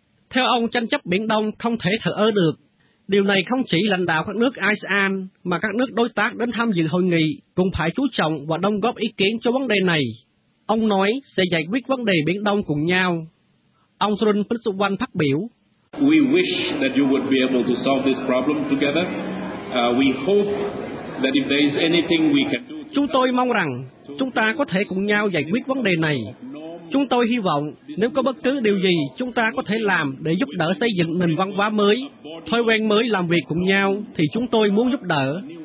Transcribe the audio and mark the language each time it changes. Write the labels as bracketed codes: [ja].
[vi] Theo ông, tranh chấp Biển Đông không thể thờ ơ được. Điều này không chỉ lãnh đạo các nước ASEAN, mà các nước đối tác đến tham dự hội nghị cũng phải chú trọng và đóng góp ý kiến cho vấn đề này. Ông nói sẽ giải quyết vấn đề Biển Đông cùng nhau. Ông Srin Pisuvan phát biểu. [en] We wish that you would be able to solve this problem together. We hope that if there is anything we can do. [vi] Chúng tôi mong rằng chúng ta có thể cùng nhau giải quyết vấn đề này. Chúng tôi hy vọng nếu có bất cứ điều gì chúng ta có thể làm để giúp đỡ xây dựng nền văn hóa mới, thói quen mới làm việc cùng nhau thì chúng tôi muốn giúp đỡ.